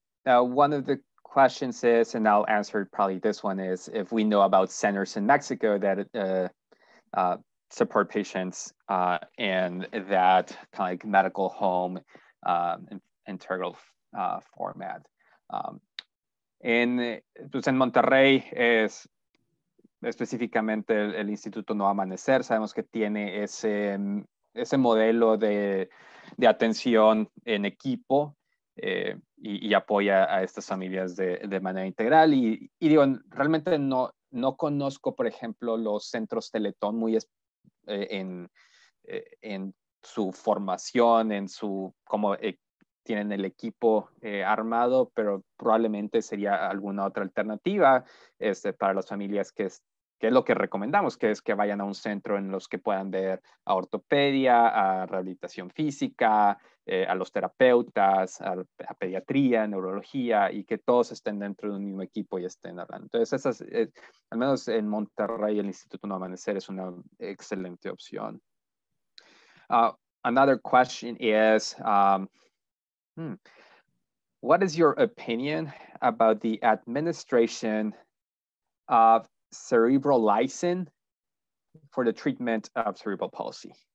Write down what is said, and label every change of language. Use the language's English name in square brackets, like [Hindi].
[English] Now, one of the questions is, and I'll answer probably this one, is if we know about centers in Mexico that support patients in that kind of like medical home integral format. [Spanish] En Monterrey es específicamente el Instituto No Amanecer. Sabemos que tiene ese modelo de atención en equipo y apoya a estas familias de manera integral. Y digo, realmente no conozco, por ejemplo, los centros Teletón muy en su formación, en su cómo tienen el equipo armado, pero probablemente sería alguna otra alternativa para las familias que es lo que recomendamos, que es que vayan a un centro en los que puedan ver a ortopedia, a rehabilitación física, a los terapeutas, a pediatría, neurología, y que todos estén dentro de un mismo equipo y estén hablando. Entonces, al menos en Monterrey, el Instituto No Amanecer es una excelente opción. [English] Another question is, what is your opinion about the administration of cerebral lysine for the treatment of cerebral palsy?